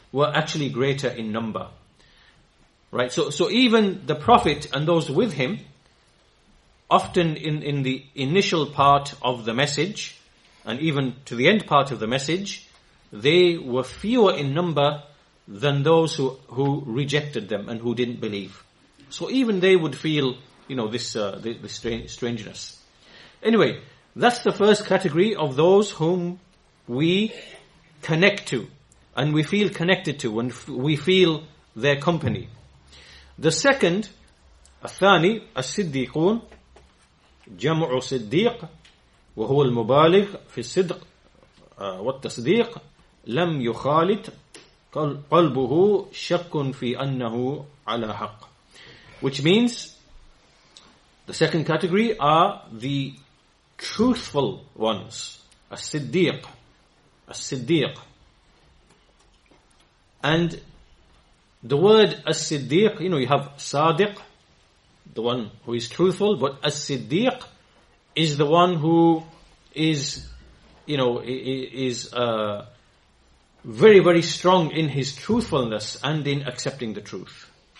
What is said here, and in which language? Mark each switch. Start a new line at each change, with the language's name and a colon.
English: were actually greater in number. Right? So even the Prophet and those with him, often in the initial part of the message, and even to the end part of the message, they were fewer in number than those who rejected them and who didn't believe. So even they would feel, you know, this strangeness. Anyway, that's the first category of those whom we connect to, and we feel connected to, and we feel their company. The second,
Arabic: الثاني, الصديقون, جمع صديق, وهو المبالغ في الصدق والتصديق, لم يخالط قلبه شك في أنه على حق.
English: Which means, the second category are the truthful ones.
Arabic: الصديق, الصديق.
English: And the word as-siddiq, you know, you have sadiq, the one who is truthful, but as-siddiq is the one who is, you know, is very, very strong in his truthfulness and in accepting the truth.